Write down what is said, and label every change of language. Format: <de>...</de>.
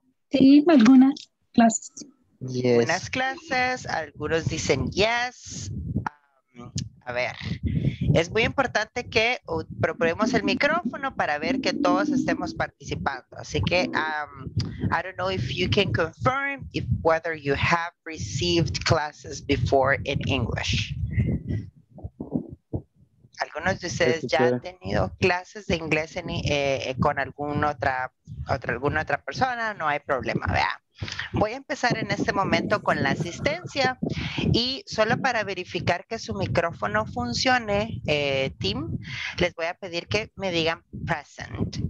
<es>Sí, algunas clases.</es> <en>Yes.</en> <es>Algunas clases, algunos dicen yes. A ver, es muy importante que probemos el micrófono para ver que todos estemos participando. Así que,</es> <en>I don't know if you can confirm if whether you have received classes before in English.</en> <es>¿Algunos de ustedes ya han tenido clases de inglés en, con alguna otra persona? No hay problema, vea. Voy a empezar en este momento con la asistencia. Y solo para verificar que su micrófono funcione, Tim, les voy a pedir que me digan present.</es>